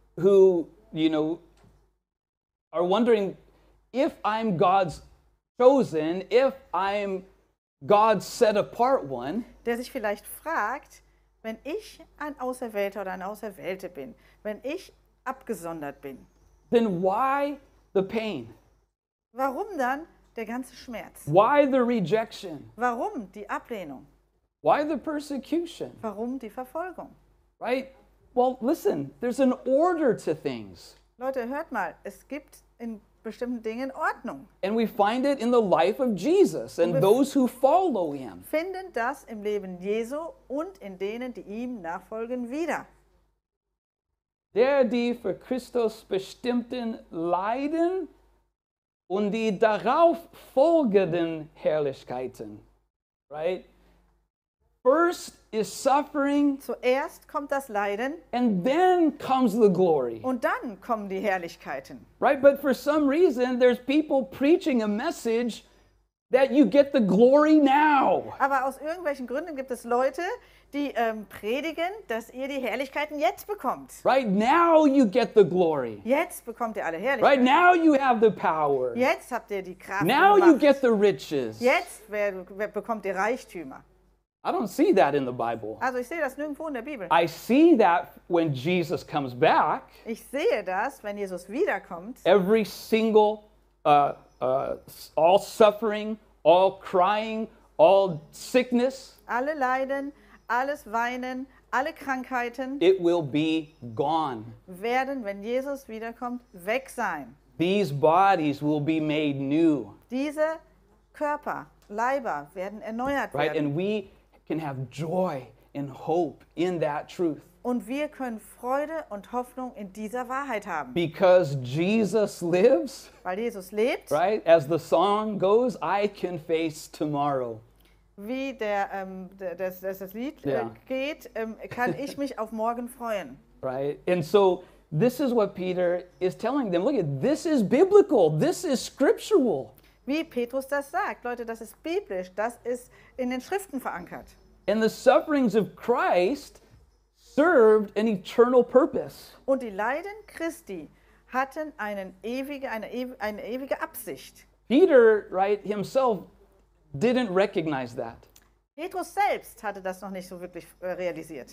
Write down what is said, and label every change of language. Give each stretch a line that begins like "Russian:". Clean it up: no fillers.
English: Who, you know, are wondering if I'm God's chosen, if I'm God's set apart one,
German: der sich vielleicht fragt, wenn ich ein Auserwählter oder eine Auserwählte bin, wenn ich abgesondert bin,
English: then why the pain?
German: Warum dann der ganze Schmerz?
English: Why the rejection?
German: Warum die Ablehnung?
English: Why the persecution?
German: Warum die Verfolgung?
English: Right? Well, listen, there's an order to things.
German: Leute, hört mal, es gibt in bestimmten Dingen Ordnung.
English: And we find it in the life of Jesus and those who follow him.
German: Finden das im Leben Jesu und in denen, die ihm nachfolgen, wieder. Der, die für Christus bestimmten Leiden und die darauf folgenden Herrlichkeiten.
English: Right? First is suffering.
German: Zuerst kommt das Leiden.
English: And then comes the glory.
German: Und dann kommen die Herrlichkeiten.
English: Right? But for some reason, there's people preaching a message that you get the glory now.
German: Aber aus irgendwelchen Gründen gibt es Leute, die predigen, dass ihr die Herrlichkeiten jetzt bekommt.
English: Right now you get the glory.
German: Jetzt bekommt ihr alle Herrlichkeiten.
English: Right now you have the power.
German: Jetzt habt ihr die Kraft.
English: Now you get the riches.
German: Jetzt bekommt ihr Reichtümer.
English: I don't see that in the Bible.
German: Also ich sehe das nirgendwo in der Bibel.
English: I see that when Jesus comes back.
German: Ich sehe das, wenn Jesus wiederkommt.
English: Every single all suffering, all crying, all sickness.
German: Alle Leiden, alles Weinen, alle Krankheiten.
English: It will be gone.
German: Werden, wenn Jesus wiederkommt, weg sein.
English: These bodies will be made new.
German: Diese Körper, Leiber werden erneuert
English: right?
German: werden.
English: Right, and we can have joy and hope in that truth.
German: Und wir können Freude und Hoffnung in dieser Wahrheit haben.
English: Because Jesus lives.
German: Weil Jesus lebt.
English: Right, as the song goes, I can face tomorrow.
German: Wie der das Lied geht, kann ich mich auf morgen freuen.
English: Right, and so this is what Peter is telling them. Look at this is biblical. This is scriptural.
German: Wie Petrus das sagt, Leute, das ist biblisch. Das ist in den Schriften verankert.
English: And the sufferings of Christ served an eternal purpose.
German: Und die Leiden Christi hatten eine ewige Absicht.
English: Peter, right, himself didn't recognize that.
German: Petrus selbst hatte das noch nicht so wirklich realisiert.